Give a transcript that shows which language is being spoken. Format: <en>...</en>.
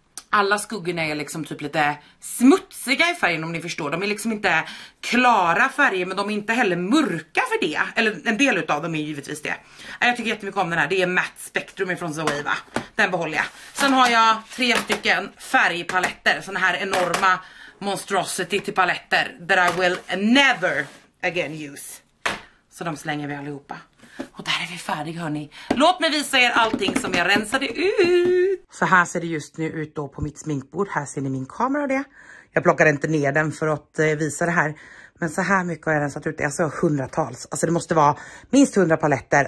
<sv>Alla skuggorna är liksom typ lite smutsiga i färgen, om ni förstår. De är liksom inte klara färger, men de är inte heller mörka för det. Eller en del av dem är givetvis det. Jag tycker jättemycket om den här. Det är Matte Spectrum från Zoeva. Den behåller jag. Sen har jag tre stycken färgpaletter. Såna här enorma monstrosity till paletter.</sv> <en>That I will never again use.</en> <sv>Så de slänger vi allihopa. Och där är vi färdiga, hörni. Låt mig visa er allting som jag rensade ut. Så här ser det just nu ut då på mitt sminkbord. Här ser ni min kamera och det. Jag plockar inte ner den för att visa det här. Men så här mycket har jag rensat ut. Alltså hundratals. Alltså det måste vara minst 100 paletter.</sv>